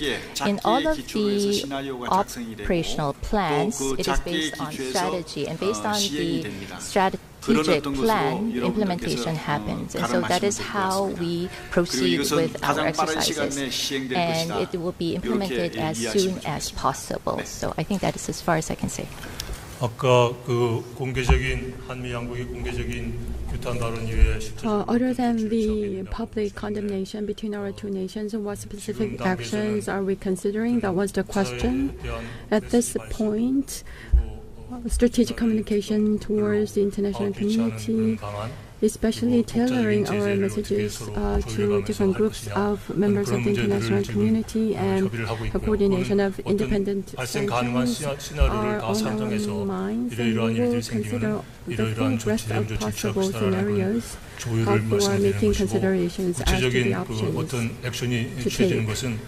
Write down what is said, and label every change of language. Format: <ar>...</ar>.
<en>In all of the operational plans, it is based on strategy, and based on the strategic plan, implementation happens. And so that is how we proceed with our exercises. And it will be implemented as soon as possible. So I think that is as far as I can say.</en> <ko>아까 그 공개적인 한미 양국의 공개적인 규탄 발언 이외에</ko> <en>other than the public condemnation between our two nations, what specific actions are we considering? That was the question. At this point, strategic communication towards the international community, especially tailoring our messages to different groups of members of the international community and a coordination of independent centers are on our minds, and we will consider the full breadth of possible scenarios before making considerations as to the options to take.</en>